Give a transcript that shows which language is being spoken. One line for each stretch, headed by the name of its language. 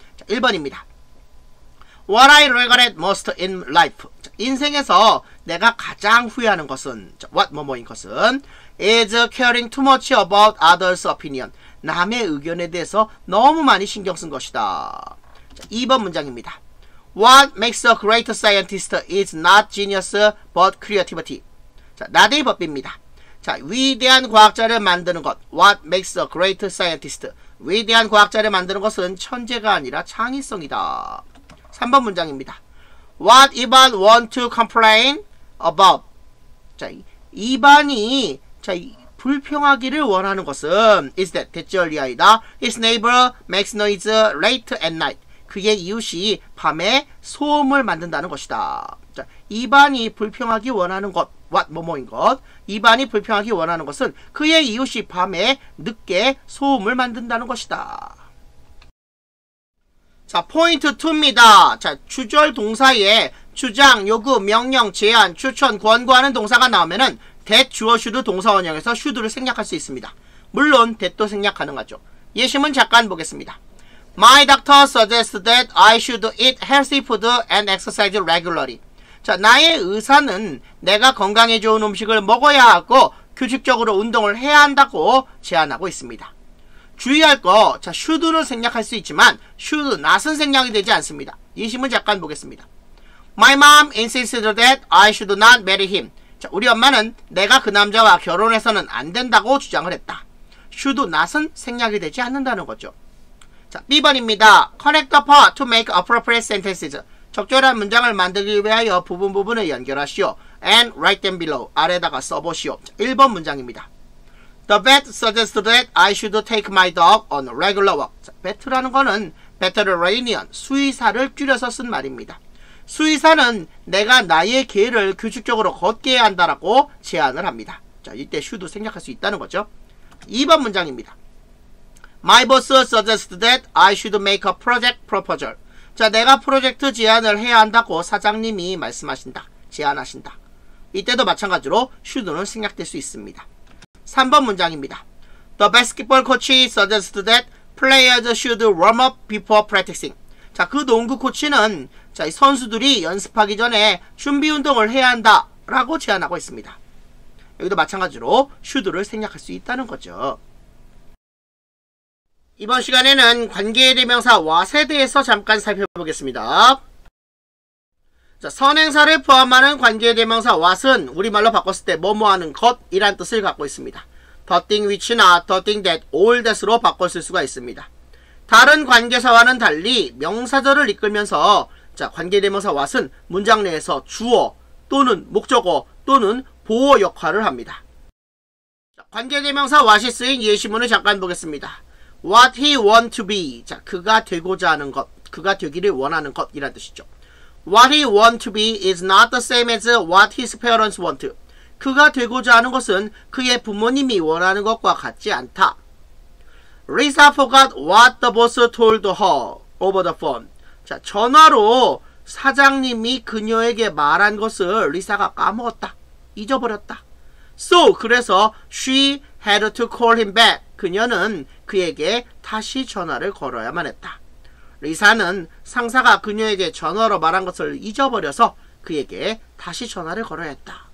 Korean: 자, 1번입니다.
English: What I regret most in life.
Korean: 자, 인생에서 내가 가장 후회하는 것은 자, what 뭐뭐인 것은
English: is caring too much about others' opinion.
Korean: 남의 의견에 대해서 너무 많이 신경 쓴 것이다. 자, 2번 문장입니다.
English: What makes a great scientist is not genius but creativity.
Korean: 자, 나대의 법입니다. 자, 위대한 과학자를 만드는 것.
English: What makes a great scientist?
Korean: 위대한 과학자를 만드는 것은 천재가 아니라 창의성이다. 3번 문장입니다.
English: What Ivan want to complain about?
Korean: 자, 이반이 자, 불평하기를 원하는 것은 is that 대절리아이다.
English: His neighbor makes noise late at night.
Korean: 그의 이웃이 밤에 소음을 만든다는 것이다. 자, 이반이 불평하기 원하는 것 what 뭐뭐인 것 이반이 불평하기 원하는 것은 그의 이웃이 밤에 늦게 소음을 만든다는 것이다. 자, 포인트 2입니다. 자, 주절 동사에 주장, 요구, 명령, 제안, 추천, 권고하는 동사가 나오면은 that, 주어, should 동사원형에서 should를 생략할 수 있습니다. 물론 that도 생략 가능하죠. 예시문 잠깐 보겠습니다.
English: My doctor suggests that I should eat healthy food and exercise regularly.
Korean: 자, 나의 의사는 내가 건강에 좋은 음식을 먹어야 하고 규칙적으로 운동을 해야 한다고 제안하고 있습니다. 주의할 거, 자, should를 생략할 수 있지만 should, not은 생략이 되지 않습니다. 예시문 잠깐 보겠습니다.
English: My mom insisted that I should not marry him.
Korean: 자, 우리 엄마는 내가 그 남자와 결혼해서는 안 된다고 주장을 했다. should, not은 생략이 되지 않는다는 거죠. 자, B번입니다.
English: Connect the part to make appropriate sentences.
Korean: 적절한 문장을 만들기 위하여 부분 부분을 연결하시오.
English: And write them below.
Korean: 아래다가 써보시오. 자, 1번 문장입니다.
English: The vet suggested that I should take my dog on a regular walk.
Korean: 자, vet라는 거는 veterinarian, 수의사를 줄여서 쓴 말입니다. 수의사는 내가 나의 개를 규칙적으로 걷게 해야 한다라고 제안을 합니다. 자, 이때 should 생략할 수 있다는 거죠. 2번 문장입니다.
English: My boss suggested that I should make a project proposal.
Korean: 자, 내가 프로젝트 제안을 해야 한다고 사장님이 말씀하신다. 제안하신다. 이때도 마찬가지로 should는 생략될 수 있습니다. 3번 문장입니다.
English: The basketball coach suggested that players should warm up before practicing.
Korean: 자, 그 농구 코치는 자, 선수들이 연습하기 전에 준비 운동을 해야 한다라고 제안하고 있습니다. 여기도 마찬가지로 should를 생략할 수 있다는 거죠. 이번 시간에는 관계대명사 what에 대해서 잠깐 살펴보겠습니다. 자, 선행사를 포함하는 관계대명사 what은 우리말로 바꿨을 때 뭐뭐하는 것이란 뜻을 갖고 있습니다.
English: The thing which나 the thing that, all that으로
Korean: 바꿨을 수가 있습니다. 다른 관계사와는 달리 명사절을 이끌면서 자, 관계대명사 what은 문장 내에서 주어 또는 목적어 또는 보어 역할을 합니다. 자, 관계대명사 what이 쓰인 예시문을 잠깐 보겠습니다.
English: What he want to be.
Korean: 자, 그가 되고자 하는 것, 그가 되기를 원하는 것이란 뜻이죠.
English: What he want to be is not the same as what his parents want.
Korean: 그가 되고자 하는 것은 그의 부모님이 원하는 것과 같지 않다.
English: Lisa forgot what the boss told her over the phone.
Korean: 자, 전화로 사장님이 그녀에게 말한 것을 리사가 까먹었다. 잊어버렸다.
English: So, 그래서 she had to call him back.
Korean: 그녀는 그에게 다시 전화를 걸어야만 했다. 리사는 상사가 그녀에게 전화로 말한 것을 잊어버려서 그에게 다시 전화를 걸어야 했다.